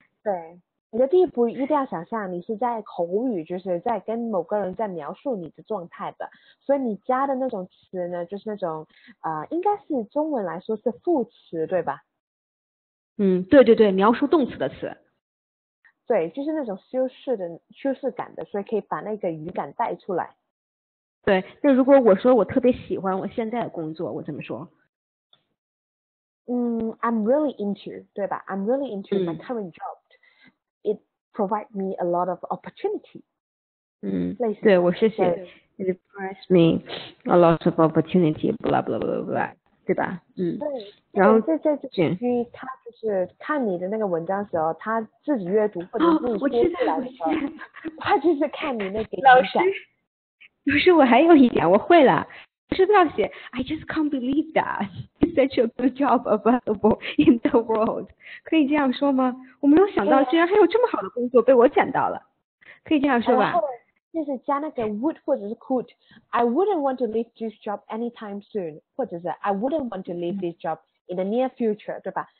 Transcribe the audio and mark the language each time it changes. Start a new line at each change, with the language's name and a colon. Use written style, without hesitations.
Chinese: 对，你的第一步一定要想象你是在口语，就是在跟某个人在描述你的状态的，所以你加的那种词呢，就是那种应该是中文来说是副词，对吧？对对对，描述动词的词。对，就是那种修饰感的，所以可以把那个语感带出来。对，那如果我说我特别喜欢我现在的工作，我怎么说？
English: I'm really into，
Chinese: 对吧
English: ？I'm really into my current job。 Provide me a lot of opportunity。
Chinese: 对，我是写
English: it provides me a lot of opportunity， blah blah blah blah，
Chinese: 对吧？对。然后这就是基于他就是看你的那个文章的时候，他自己阅读或者自己说出来的时候，他就是看你那个老师。不是，我还有一点，我会了。是这样写
English: ，I just can't believe that such a good job available in the world。
Chinese: 可以这样说吗？我没有想到，居然还有这么好的工作被我捡到了。可以这样说吧？就是加那个 would 或者是 could。
English: I wouldn't want to leave this job anytime soon，
Chinese: 或者是
English: I wouldn't want to leave this job in the near future，
Chinese: 对吧？